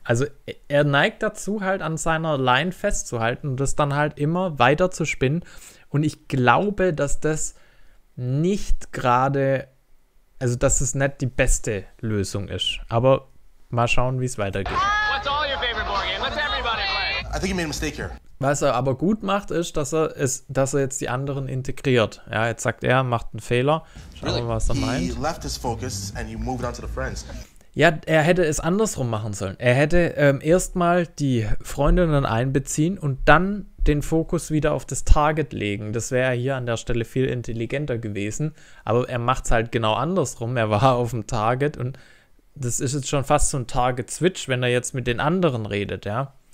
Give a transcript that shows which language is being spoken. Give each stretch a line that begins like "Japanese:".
German: Also er neigt dazu halt an seiner Line festzuhalten und das dann halt immer weiter zu spinnen und ich glaube, dass das nicht gerade, also dass es nicht die beste Lösung ist, aber mal schauen, wie es weitergeht.
English: What's all your favorite board game? Let's everybody play. I think you made a mistake here.
German: Was er aber gut macht, ist, dass er jetzt die anderen integriert. Ja, jetzt sagt er, macht einen Fehler. Schauen wir, was er meint.
English: He left his focus and he moved on to the friends.
German: Ja, er hätte es andersrum machen sollen. Er hätte erstmal die Freundinnen einbeziehen und dann den Fokus wieder auf das Target legen. Das wäre hier an der Stelle viel intelligenter gewesen. Aber er macht es halt genau andersrum. Er war auf dem Target und das ist jetzt schon fast so ein Target-Switch, wenn er jetzt mit den anderen redet, ja.